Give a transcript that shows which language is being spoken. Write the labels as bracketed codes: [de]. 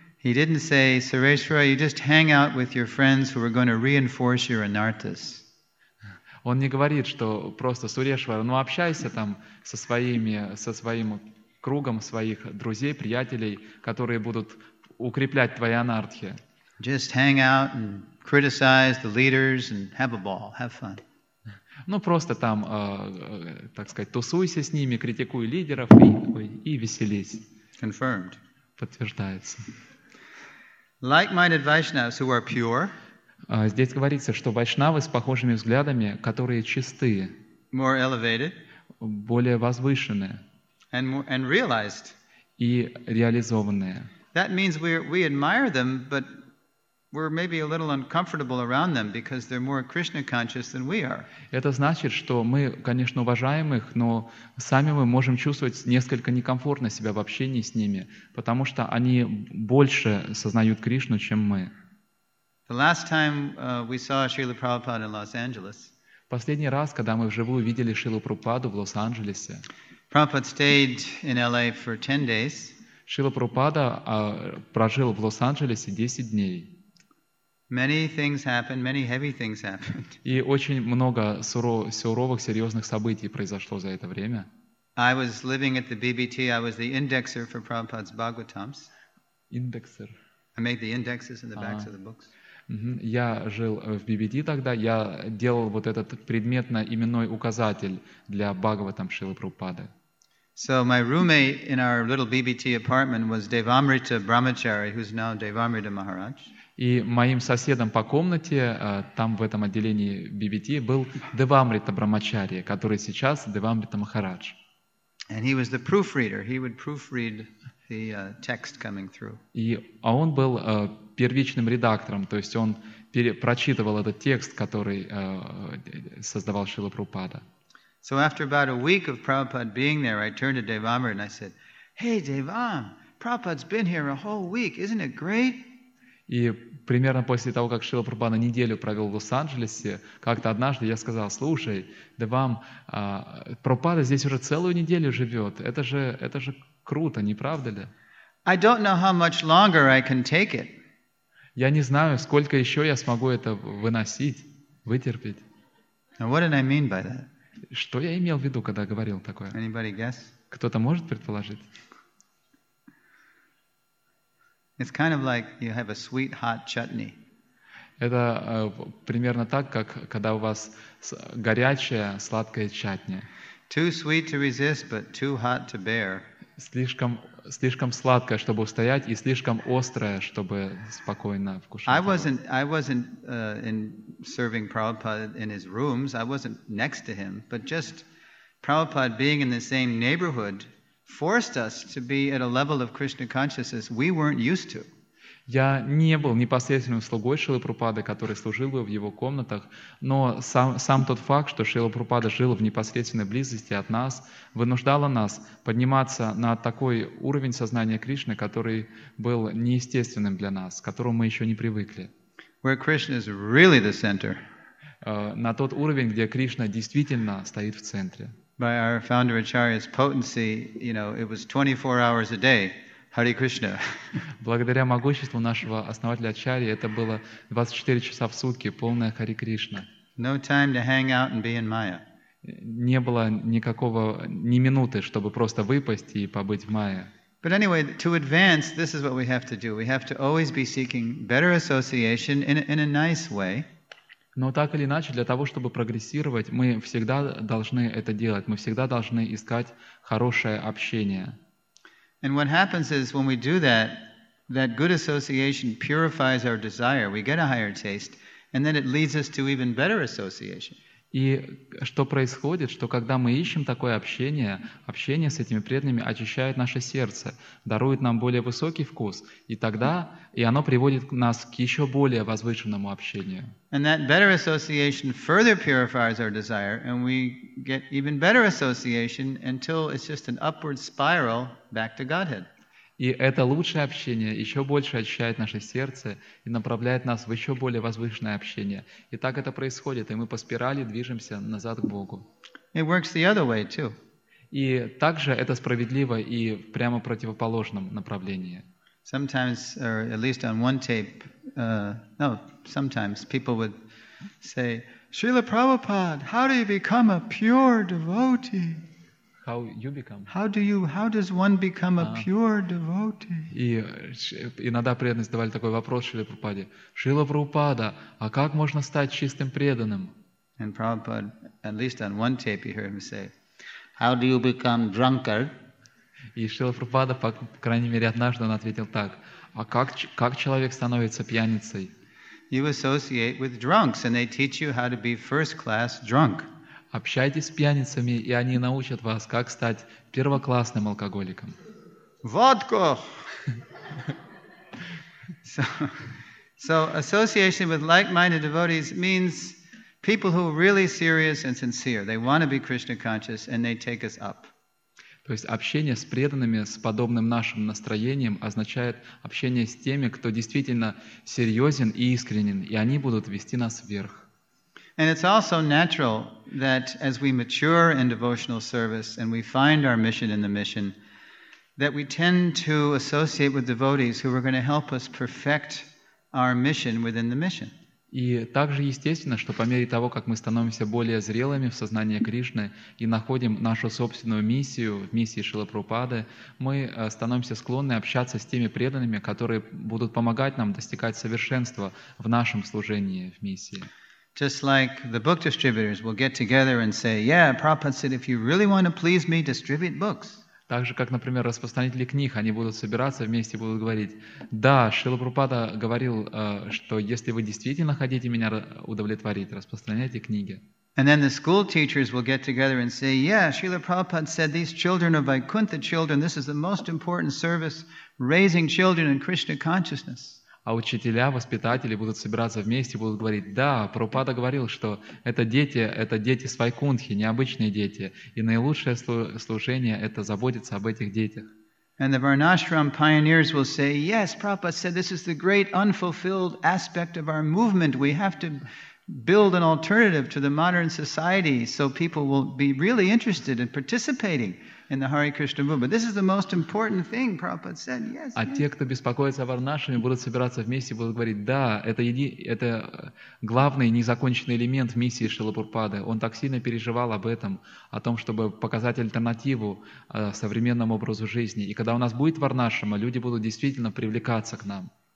[en] He didn't say, Sureshwara, you just hang out with your friends who are going to reinforce your anarthas. [ru] Он не говорит, что просто Сурешвара, ну общайся там со своим кругом своих друзей, приятелей, которые будут укреплять твои анартхи. [en] Just hang out and criticize the leaders and have a ball, have fun. [ru] Ну просто там, так сказать, тусуйся с ними, критикуй лидеров и веселись. [en] Confirmed. [ru] Подтверждается. [en] Like-minded Vaishnavas who are pure. [ru] Здесь говорится, что вайшнавы с похожими взглядами, которые чисты, [en] more elevated, [ru] более возвышенные [en] and realized. [ru] И реализованные. [en] That means we admire them, but we're maybe a little uncomfortable around them because they're more Krishna conscious than we are. [ru] Это значит, что мы, конечно, уважаем их, но сами мы можем чувствовать несколько некомфортно себя в общении с ними, потому что они больше сознают Кришну, чем мы. [en] The last time we saw Srila Prabhupada in Los Angeles. [ru] Последний раз, когда мы вживую видели Шрилу Прабхупаду в Лос-Анджелесе. [en] Prabhupada stayed in LA for 10 days. [ru] Шрила Прабхупада прожил в Лос-Анджелесе 10 дней. [en] Many things happened, many heavy things happened. [ru] И очень много суровых, серьезных событий произошло за это время. [en] I was living at the BBT, I was the indexer for Prabhupada's Bhagavatams. Indexer. I made the indexes in the backs of the books. [ru] Я жил в BBT тогда, я делал вот этот предметно-именной указатель для Бхагаватам Шрилы Прабхупады. [en] So my roommate in our little BBT apartment was Devamrita Brahmachari, who's now Devamrita Maharaj. [ru] И моим соседом по комнате, там в этом отделении BBT, был Девамрита Брамачария, который сейчас Девамрита Махарадж. [en] And he was the proofreader. He would proofread the text coming through. [ru] А он был первичным редактором, то есть он прочитывал этот текст, который создавал Шрила Прабхупада. [en] So after about a week of Prabhupada being there, I turned to Devamrita and I said, "Hey, Devam, Prabhupada's been here a whole week. Isn't it great?" [ru] И примерно после того, как Шрила Прабхупада неделю провел в Лос-Анджелесе, как-то однажды я сказал: "Слушай, Девам, Прабхупада здесь уже целую неделю живет. Это же круто, не правда ли?" [en] I don't know how much longer I can take it. [ru] Я не знаю, сколько еще я смогу это выносить, вытерпеть. [en] What did I mean by that? [ru] Что я имел в виду, когда говорил такое? [en] Anybody guess? [ru] Кто-то может предположить? [en] It's kind of like you have a sweet hot chutney. [ru] Это примерно так, как когда у вас горячая сладкая чатни. [en] Too sweet to resist, but too hot to bear. [ru] Слишком сладкое, чтобы устоять, и слишком острое, чтобы спокойно вкушать. [en] I wasn't in serving Prabhupada in his rooms. I wasn't next to him, but just Prabhupada being in the same neighborhood forced us to be at a level of Krishna consciousness we weren't used to. [ru] Я не был непосредственным слугой Шрилы Прабхупады, который служил бы в его комнатах, но сам тот факт, что Шрила Прабхупада жил в непосредственной близости от нас, вынуждало нас подниматься на такой уровень сознания Кришны, который был неестественным для нас, к которому мы еще не привыкли. [en] Where Krishna is really the center. [ru] На тот уровень, где Кришна действительно стоит в центре. [en] By our founder Acharya's potency, you know, it was 24 hours a day. Hare Krishna. [ru] Благодаря могуществу нашего основателя Ачарьи, это было 24 часа в сутки, полное Хари Кришна. [en] No time to hang out and be in Maya. [ru] Не было никакого, ни минуты, чтобы просто выпасть и побыть в Майе. [en] But anyway, to advance, this is what we have to do. We have to always be seeking better association in a nice way. [ru] Но так или иначе, для того, чтобы прогрессировать, мы всегда должны это делать. Мы всегда должны искать хорошее общение. [en] And what happens is when we do that, that good association purifies our desire. We get a higher taste, and then it leads us to even better association. [ru] И что происходит, что когда мы ищем такое общение, общение с этими преданными очищает наше сердце, дарует нам более высокий вкус, и оно приводит нас к еще более возвышенному общению. [en] And that better association further purifies our desire, and we get even better association until it's just an upward spiral back to Godhead. [ru] И это лучшее общение еще больше очищает наше сердце и направляет нас в еще более возвышенное общение. И так это происходит, и мы по спирали движемся назад к Богу. [en] It works the other way too. [ru] И также это справедливо и в прямо противоположном направлении. [en] Sometimes, or at least on one tape, sometimes people would say, Srila Prabhupada, how do you become a pure devotee? How you become? How does one become a pure devotee? [ru] И иногда преданные задавали такой вопрос Шриле Прабхупаде: Шрила Прабхупада, а как можно стать чистым преданным? [en] And Prabhupada, at least on one tape, you hear him say, "How do you become drunkard?" [ru] И Шрила Прабхупада, по крайней мере, однажды он ответил так: "А как человек становится пьяницей?" [en] You associate with drunks, and they teach you how to be first-class drunk. [ru] Общайтесь с пьяницами, и они научат вас, как стать первоклассным алкоголиком. Водку! [en] So association with like-minded devotees means people who are really serious and sincere. They want to be Krishna conscious, and they take us up. [ru] То есть общение с преданными, с подобным нашим настроением, означает общение с теми, кто действительно серьезен и искренен, и они будут вести нас вверх. [en] And it's also natural that as we mature in devotional service and we find our mission in the mission, that we tend to associate with devotees who are going to help us perfect our mission within the mission. [ru] И также естественно, что по мере того, как мы становимся более зрелыми в сознании Кришны и находим нашу собственную миссию в миссии Шрилы Прабхупады, мы становимся склонны общаться с теми преданными, которые будут помогать нам достигать совершенства в нашем служении, в миссии. [en] Just like the book distributors will get together and say, "Yeah, Prabhupada said, if you really want to please me, distribute books." [ru] Так же, как, например, распространители книг, они будут собираться вместе и будут говорить: «Да, Шрила Прабхупада говорил, что если вы действительно хотите меня удовлетворить, распространяйте книги». [en] And then the school teachers will get together and say, "Yeah, Srila Prabhupada said these children are Vaikuntha children, this is the most important service, raising children in Krishna consciousness." [ru] А учителя, воспитатели будут собираться вместе и будут говорить: "Да, Прабхупада говорил, что это дети с Вайкунтхи, необычные дети, и наилучшее служение – это заботиться об этих детях". [en] And the Varnashram pioneers will say, "Yes, Prabhupada said this is the great unfulfilled aspect of our movement. We have to build an alternative to the modern society so people will be really interested in participating in the Hare Krishna movement. This is the most important thing, Prabhupada said. Yes." [ru] А те, кто беспокоится о варнашраме, будут собираться вместе и будут говорить: "Да, это главный незаконченный элемент миссии Шрилы Прабхупады. Он так сильно переживал об этом, о том, чтобы показать альтернативу современному образу жизни. И когда у нас будет варнашрама, люди будут действительно привлекаться к нам".